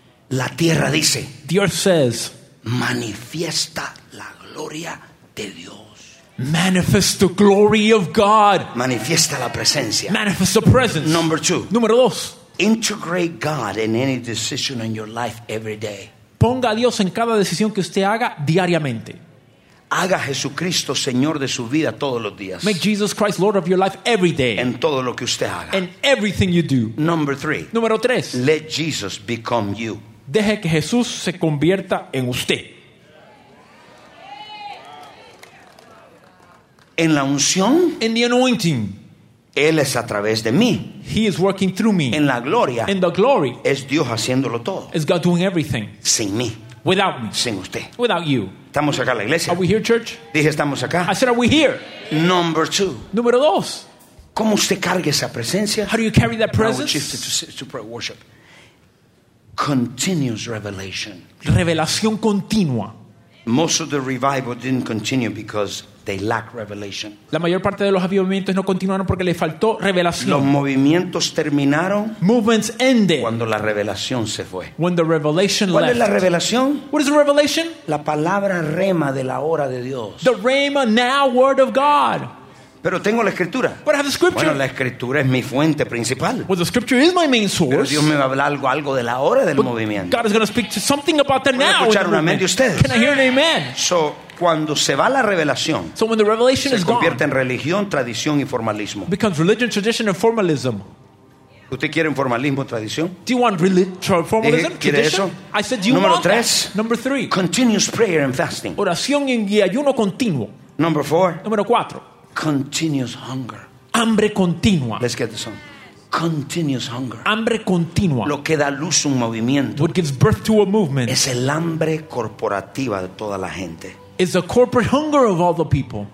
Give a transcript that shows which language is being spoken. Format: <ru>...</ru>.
<es>Yes. La tierra dice.</es> <en>The earth says.</en> <es>Manifiesta la gloria de Dios.</es> <en>Manifest the glory of God.</en> <es>Manifiesta la presencia.</es> <en>Manifest the presence. Number two.</en> <es>Número dos.</es> <en>Integrate God in any decision in your life every day.</en> <es>Ponga a Dios en cada decisión que usted haga diariamente. Haga a Jesucristo Señor de su vida todos los días.</es> <en>Make Jesus Christ Lord of your life every day.</en> <es>En todo lo que usted haga.</es> <en>In everything you do. Number three.</en> <es>Número tres.</es> <en>Let Jesus become you.</en> <es>Deje que Jesús se convierta en usted. En la unción,</es> <en>in the anointing,</en> <es>él es a través de mí.</es> <en>He is working through me.</en> <es>En la gloria,</es> <en>in the glory,</en> <es>es Dios haciéndolo todo.</es> <en>Is God doing everything?</en> <es>Sin mí,</es> <en>without me,</en> <es>sin usted,</es> <en>without you.</en> <es>Estamos acá en la iglesia.</es> <en>Are we here, church?</en> <es>Dije estamos acá.</es> <en>I said, are we here? Number two.</en> <es>Número dos. ¿Cómo usted carga esa presencia?</es> <en>How do you carry that presence? I would shift to pray worship. Continuous revelation.</en> <es>Revelación continua.</es> <en>Most of the revival didn't continue because they lack revelation.</en> <es>La mayor parte de los avivamientos no continuaron porque le faltó revelación. Los movimientos terminaron.</es> <en>Movements ended.</en> <es>Cuando la revelación se fue.</es> <en>When the revelation</en> <es>¿cuál</es> <en>left.</en> <es>¿Cuál es la revelación?</es> <en>What is the revelation?</en> <es>La palabra rema de la hora de Dios.</es> <en>The rema now word of God.</en> <es>Pero tengo la escritura.</es> <en>But I have the scripture.</en> <es>Bueno, la escritura es mi fuente principal.</es> <en>Well, the scripture is my main source.</en> <es>Pero Dios me va a hablar algo de la hora del</es> <en>but</en> <es>movimiento.</es> <en>God is going to speak to something about the</en> <es>¿puedo</es> <en>now.</en> <es>¿Puedo escuchar un amén de ustedes?</es> <en>Can I hear an amen?</en> <es>So, cuando se va la revelación,</es> <en>so when the revelation</en> <es>se</es> <en>is</en> <es>convierte</es> <en>gone,</en> <es>en religión, tradición y formalismo.</es> <en>Becomes religion, tradition, and formalism.</en> <es>¿Usted quiere un formalismo, tradición?</es> <en>Do you want formalism,</en> <es>¿quiere</es> <en>tradition?</en> <es>Eso?</es> <en>I said, do you</en> <es>número</es> <en>want</en> <es>tres,</es> <en>that? Number three. Continuous prayer and fasting.</en> <es>Oración y ayuno continuo.</es> <en>Number four.</en> <es>Número cuatro.</es> <en>Continuous hunger.</en> <es>Hambre continua.</es> <en>Let's get this on. Continuous hunger.</en> <es>Hambre continua. Lo que da luz un movimiento.</es> <en>What gives birth to a movement.</en> <es>Es el hambre corporativa de toda la gente.</es> <en>Is the corporate hunger of all the people.</en>